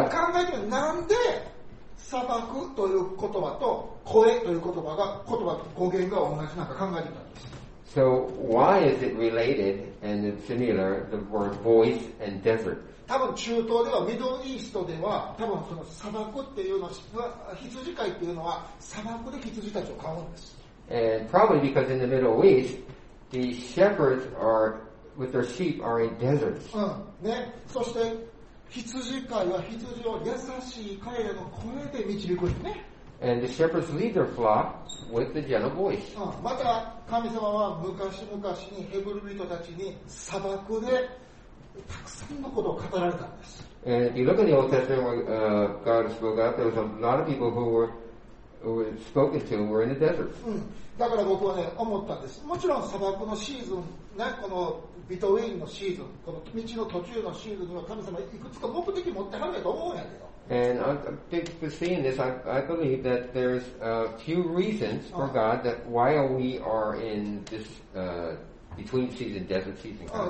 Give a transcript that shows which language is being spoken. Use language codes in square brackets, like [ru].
[en] But [ja] 考えてみなんで砂漠という言葉と声という言葉と語源が同じなのか考えてみたんです。 [en] So why is it related and similar, the word voice and desert? [ja] 多分中東では、ミドルイーストでは、多分その砂漠っていうのは、羊飼いっていうのは、砂漠で羊たちを飼うんです。 [en] And probably because in the Middle East, the shepherds are, with their sheep, are in deserts. うん。ね。 [ja] そして、羊飼いは羊を優しい飼いの声で導くんですね。 [en] And the shepherds lead their flock with the gentle voice. [ja] また神様は昔々にヘブル人たちに砂漠でたくさんのことを語られたんです。 [en] And if you look in the Old Testament where God spoke out, there was a lot of people who were spoken to were in the desert. [ja] だから僕はね、思ったんです。もちろん砂漠のシーズンね、このビトウェインのシーズン、この道の途中のシーズンには神様いくつか目的持ってはるやと思うんやけど。 [en] And I've seen this. I believe that there's a few reasons for God that why we are in this between season, desert season.